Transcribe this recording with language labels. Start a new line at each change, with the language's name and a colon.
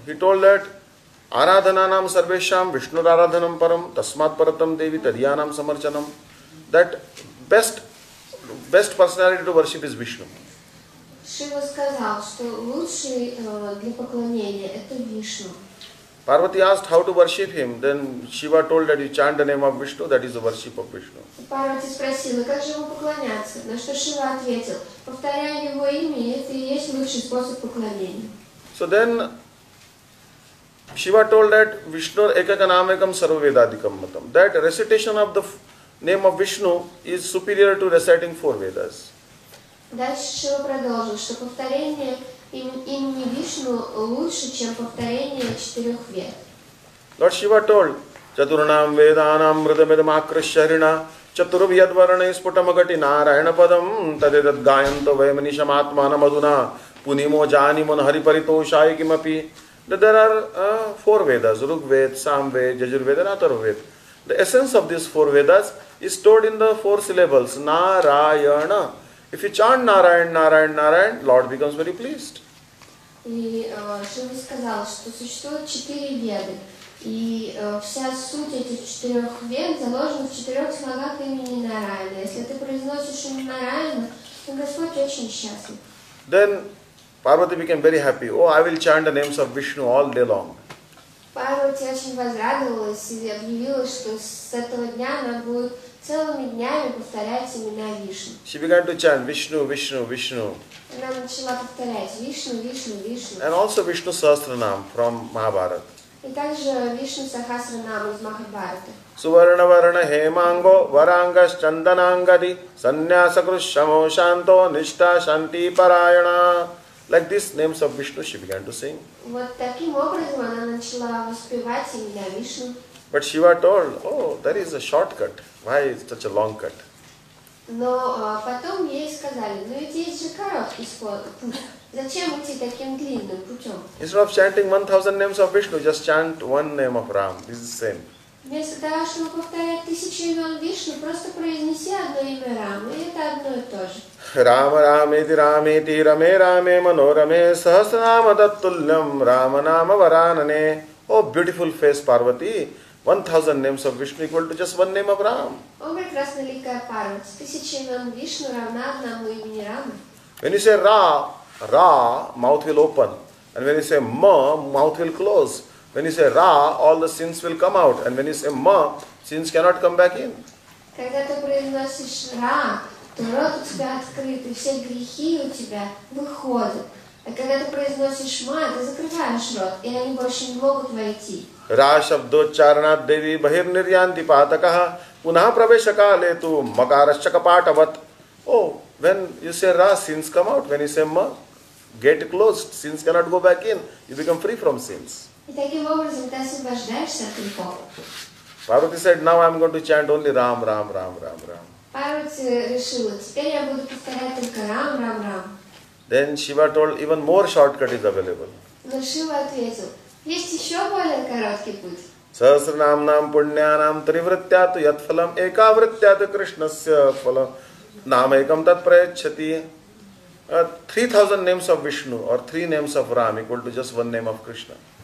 English: He told that
Sanskrit: aradhananam sarvesham Vishnur aradhanam param tasmat paratam devi tadhyanam samarchanam.
English: That best personality to worship is Vishnu.
Russian: Shiva сказал, что лучший для поклонения это Вишну.
English: Parvati asked how to worship him. Then Shiva told that you chant the name of Vishnu, that is the worship of Vishnu.
Russian: Parvati спросила, как же ему поклоняться? На что Шива ответил, повторяя его имя, это и есть лучший способ поклонения.
English: So then Shiva told that
Sanskrit: Vishnu ekaka namakam sarvavedadikam matam.
English: That recitation of the name of Vishnu is superior to reciting four Vedas.
Russian: Дальше Шива продолжил, что повторение имени Вишну лучше, чем повторение четырех вед.
English: Lord Shiva told,
Sanskrit: Chaturnam Vedanam Ridamidam Akrasharina Chaturvyad Varane Sputamagati Narayana Padam Tadidad Gayanto Vaimanisham Atmana Maduna Punimo Jani Man Hari Paritoshaya Kimapi.
English: There are four Vedas, Rug Ved, Sam Ved, Yajur Ved and Atharva Ved. The essence of these four Vedas is stored in the four syllables, Narayana. If you chant Narayan, Narayan, Narayan, Lord becomes very pleased.
Russian: И Шива сказал, что существует четыре веды, и вся суть этих четырех вед заложена в четырех слогах имени Нараяна. Если ты произносишь имя Нараяна, то Господь очень счастлив.
English: Then Parvati became very happy. Oh, I will chant the names of Vishnu all day long.
Russian: Парвати очень возрадовалась и объявила, что с этого дня она будет целыми днями повторять имена Вишну.
English: She began to chant Vishnu, Vishnu, Vishnu.
Russian: Она начала повторять Вишну, Вишну, Вишну.
English: And also Vishnu Sahasranam from Mahabharata.
Russian: И также Вишну Сахасранам из Махабхараты.
Sanskrit: Suvarna varna hemango varanga chandanangadi sanyasakrus shamo shanto nishta shanti parayana.
English: Like this names of Vishnu she began to sing.
Russian: Вот таким образом она начала воспевать имя Вишну.
English: But Shiva told, oh, that is a shortcut. Why is such a long cut?
Russian: Но потом ей сказали, ну ведь есть же короткий путь. Зачем идти таким длинным путем?
English: Instead of chanting 1000 names of Vishnu, just chant one name of Ram. This is the same.
Russian: Вместо того, чтобы повторять тысячи имен Вишну, просто произнеси одно имя Рамы, и это одно и то же.
Sanskrit: Рама, Раме, Ти, Раме, Ти, Раме, Раме, Мано, Раме, Сахасранама, Даттульям, Рама, Нама, Варанане.
English: О, beautiful face, Парвати. 1000 names of Вишну equal to just one name of Рам.
Russian: О, прекрасная ликая Парвати. Тысяча имен Вишну равна одному имени Рамы.
English: When you say Ra, Ra, mouth will open. And when you say Ma, mouth will close. When you say Ra, all the sins will come out. And when you say Ma, sins cannot come back in.
Russian: Когда ты произносишь Ра, то рот у тебя открыт, и все грехи у тебя выходят. А когда ты произносишь Ма, ты закрываешь рот, и они больше не могут войти.
Sanskrit: Ра шабдочарнат деви бахир нирьянти патакаха пунаха правешакале ту макарашчакапатават.
English: Oh, when you say Ra, sins come out. When you say Ma, gate closed, sins cannot go back in. You become free from sins.
Russian: И таким образом ты освобождаешься от грехов.
English: Парвати said, now I'm going to chant only Ram, Ram, Ram, Ram, Ram.
Russian: Парвати решила, теперь я буду повторять только Рам, Рам, Рам.
English: Then Shiva told, even more shortcut is available.
Russian: Но Шива ответил, есть еще более короткий путь.
Sanskrit: Сахасранам пуньянам тривриттяту ятфалам экавриттяту кришнасья фалам намекам тат праячхати.
English: 3000 names of Vishnu or 3 names of Ram equal to just one name of Krishna.